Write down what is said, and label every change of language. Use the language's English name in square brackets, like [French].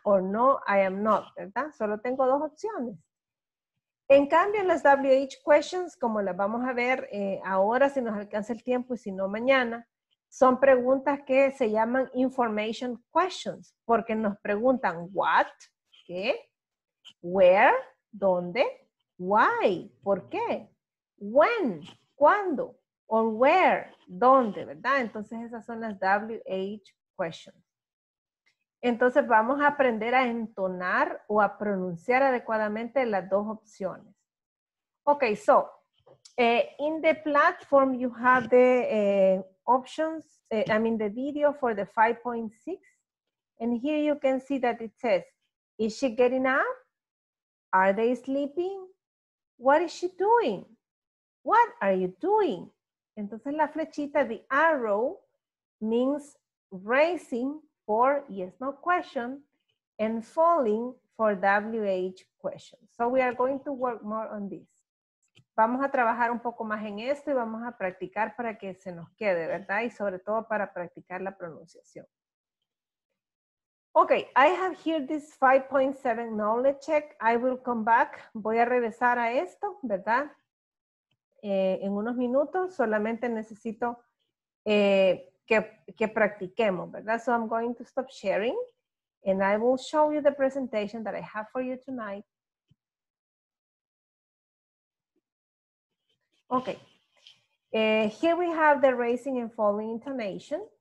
[English] Or no, I am not. [Spanish] ¿Verdad? Solo tengo dos opciones. En cambio, en las WH questions, como las vamos a ver ahora, si nos alcanza el tiempo y si no mañana, son preguntas que se llaman information questions, porque nos preguntan what, qué, where, dónde, why, por qué, when, cuándo. [English] Or where, [Spanish] dónde, ¿verdad? Entonces esas son las WH questions. Entonces vamos a aprender a entonar o a pronunciar adecuadamente las dos opciones. [English] Ok, so, in the platform you have the options, I mean the video for the 5.6. And here you can see that it says, is she getting up? Are they sleeping? What is she doing? What are you doing? [Spanish] Entonces la flechita, [English] the arrow, means rising for yes-no question and falling for WH question. So we are going to work more on this. [Spanish] Vamos a trabajar un poco más en esto y vamos a practicar para que se nos quede, ¿verdad? Y sobre todo para practicar la pronunciación. [English] Okay, I have here this 5.7 knowledge check. I will come back. [Spanish] Voy a regresar a esto, ¿verdad? En unos minutos, solamente necesito que practiquemos, ¿verdad? [English] So I'm going to stop sharing and I will show you the presentation that I have for you tonight. Okay, Here we have the raising and falling intonation.